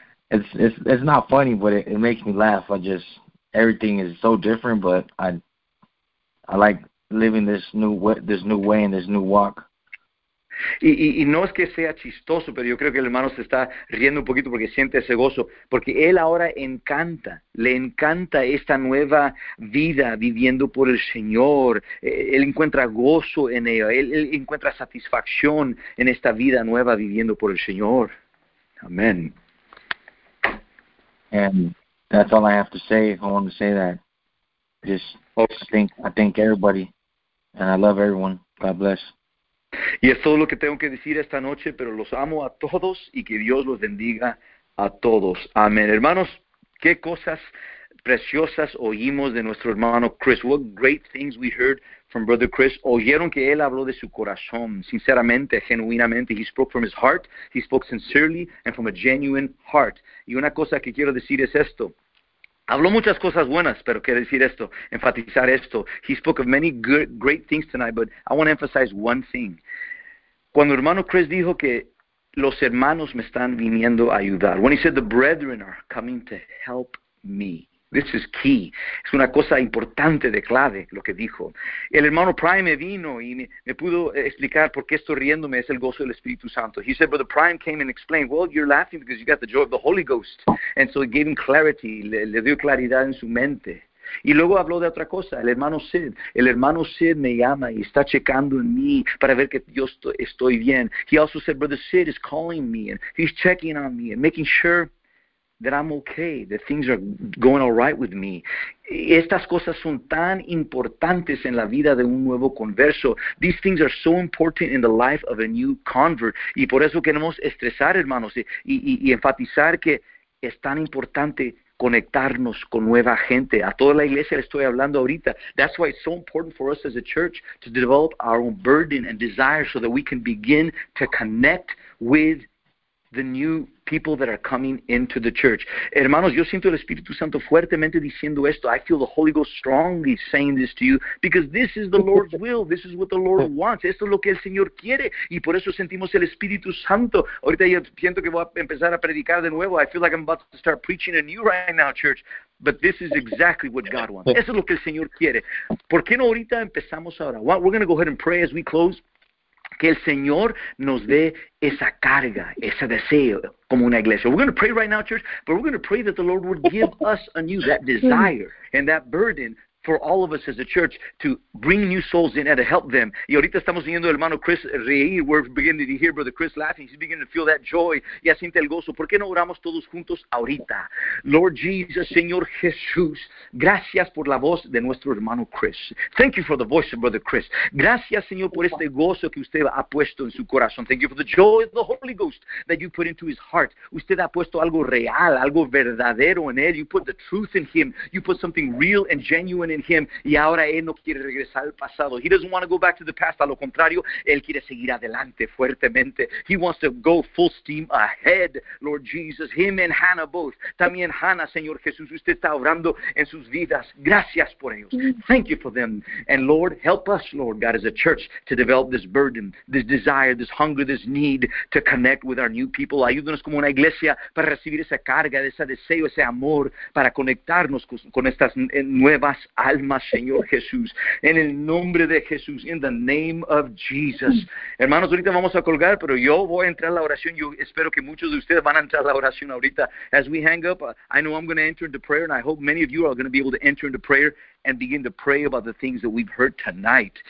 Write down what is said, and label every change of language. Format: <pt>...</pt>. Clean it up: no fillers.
<en>it's not funny, but it makes me laugh. Everything is so different, but I like living this new way and this new walk.</en> <es>Y no es que sea chistoso, pero yo creo que el hermano se está riendo un poquito porque siente ese gozo, porque él ahora le encanta esta nueva vida viviendo por el Señor. Él encuentra gozo en ella, él encuentra satisfacción en esta vida nueva viviendo por el Señor. Amén.</es> <en>And that's all I have to say. I want to say that. I thank everybody, and I love everyone. God bless.</en> <es>Y es todo lo que tengo que decir esta noche, pero los amo a todos y que Dios los bendiga a todos. Amén. Hermanos, qué cosas preciosas oímos de nuestro hermano Chris.</es> <en>What great things we heard from Brother Chris.</en> <es>Oyeron que él habló de su corazón, sinceramente, genuinamente.</es> <en>He spoke from his heart, he spoke sincerely and from a genuine heart.</en> <es>Y una cosa que quiero decir es esto. Habló muchas cosas buenas, pero quiero decir esto, enfatizar esto.</es> <en>He spoke of many good, great things tonight, but I want to emphasize one thing.</en> <es>Cuando hermano Chris dijo que los hermanos me están viniendo a ayudar.</es> <en>When he said the brethren are coming to help me. This is key.</en> <es>Es una cosa importante, de clave, lo que dijo. El hermano Prime vino y me pudo explicar por qué estoy riéndome. Es el gozo del Espíritu Santo.</es> <en>He said, Brother Prime came and explained, well, you're laughing because you got the joy of the Holy Ghost. And so it gave him clarity.</en> <es>Le dio claridad en su mente. Y luego habló de otra cosa. El hermano Sid. El hermano Sid me llama y está checando en mí para ver que yo estoy bien.</es> <en>He also said, Brother Sid is calling me and he's checking on me and making sure that I'm okay, that things are going all right with me.</en> <es>Estas cosas son tan importantes en la vida de un nuevo converso.</es> <en>These things are so important in the life of a new convert.</en> <es>Y por eso queremos estresar, hermanos, y enfatizar que es tan importante conectarnos con nueva gente. A toda la iglesia le estoy hablando ahorita.</es> <en>That's why it's so important for us as a church to develop our own burden and desire so that we can begin to connect with the new people that are coming into the church.</en> <es>Hermanos, yo siento el Espíritu Santo fuertemente diciendo esto.</es> <en>I feel the Holy Ghost strongly saying this to you because this is the Lord's will. This is what the Lord wants.</en> <es>Esto es lo que el Señor quiere. Y por eso sentimos el Espíritu Santo. Ahorita yo siento que voy a empezar a predicar de nuevo.</es> <en>I feel like I'm about to start preaching anew right now, church. But this is exactly what God wants.</en> <es>Eso es lo que el Señor quiere. ¿Por qué no ahorita empezamos ahora?</es> <en>We're going to go ahead and pray as we close.</en> <es>Que el Señor nos dé esa carga, ese deseo, como una iglesia.</es> <en>We're going to pray right now, church, but we're going to pray that the Lord would give us anew that desire and that burden for all of us as a church to bring new souls in and to help them.</en> <es>Y ahorita estamos viendo el hermano Chris reír.</es> <en>We're beginning to hear Brother Chris laughing. He's beginning to feel that joy.</en> <es>Ya siente el gozo. ¿Por qué no oramos todos juntos ahorita?</es> <en>Lord Jesus,</en> <es>Señor Jesús, gracias por la voz de nuestro hermano Chris.</es> <en>Thank you for the voice of Brother Chris.</en> <es>Gracias, Señor, por este gozo que usted ha puesto en su corazón.</es> <en>Thank you for the joy of the Holy Ghost that you put into his heart.</en> <es>Usted ha puesto algo real, algo verdadero en él.</es> <en>You put the truth in him. You put something real and genuine in him,</en> <es>y ahora él no quiere regresar al pasado.</es> <en>He doesn't want to go back to the past.</en> <es>A lo contrario, él quiere seguir adelante fuertemente.</es> <en>He wants to go full steam ahead, Lord Jesus. Him and Hannah both.</en> <es>También Hannah, Señor Jesús, usted está obrando en sus vidas. Gracias por ellos.</es> <en>Thank you for them. And Lord, help us, Lord God, as a church, to develop this burden, this desire, this hunger, this need to connect with our new people.</en> <es>Ayúdanos como una iglesia para recibir esa carga, ese deseo, ese amor, para conectarnos con estas nuevas alma, Señor Jesús, en el nombre de Jesús,</es> <en>in the name of Jesus.</en> <es>Hermanos, ahorita vamos a colgar, pero yo voy a entrar a la oración. Yo espero que muchos de ustedes van a entrar a la oración ahorita.</es> <en>As we hang up, I know I'm going to enter into prayer, and I hope many of you are going to be able to enter into prayer and begin to pray about the things that we've heard tonight.</en>